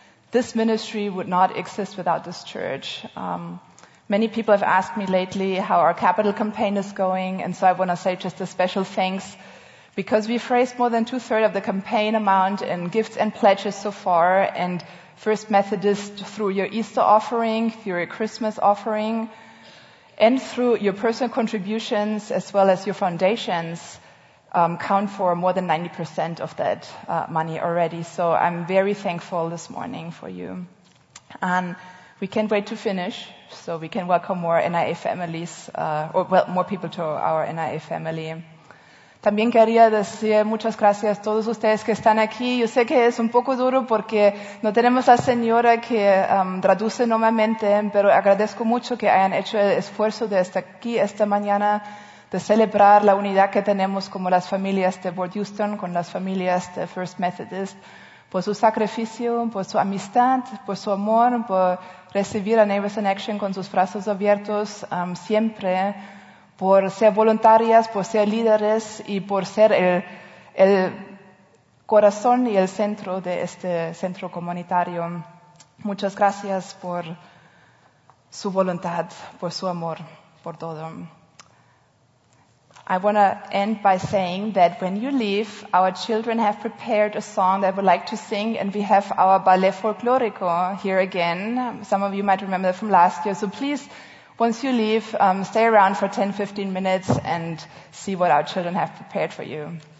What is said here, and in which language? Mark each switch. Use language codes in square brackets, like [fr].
[en] This ministry would not exist without this church. Many people have asked me lately how our capital campaign is going, and so I want to say just a special thanks, because we've raised more than 2/3 of the campaign amount in gifts and pledges so far, and First Methodist, through your Easter offering, through your Christmas offering, and through your personal contributions as well as your foundations, count for more than 90% of that money already. So I'm very thankful this morning for you. And we can't wait to finish, so we can welcome more NIA families, more people to our NIA family. [es] También quería decir muchas gracias a todos ustedes que están aquí. Yo sé que es un poco duro porque no tenemos a la señora que traduce normalmente, pero agradezco mucho que hayan hecho el esfuerzo de estar aquí esta mañana, de celebrar la unidad que tenemos como las familias de Port Houston con las familias de First Methodist, por su sacrificio, por su amistad, por su amor, por recibir a Neighbors in Action con sus brazos abiertos siempre, por ser voluntarias, por ser líderes y por ser el corazón y el centro de este centro comunitario. Muchas gracias por su voluntad, por su amor, por todo. [en] I want to end by saying that when you leave, our children have prepared a song they would like to sing, and we have our ballet folklorico here again. Some of you might remember from last year, so please, once you leave, stay around for 10, 15 minutes and see what our children have prepared for you.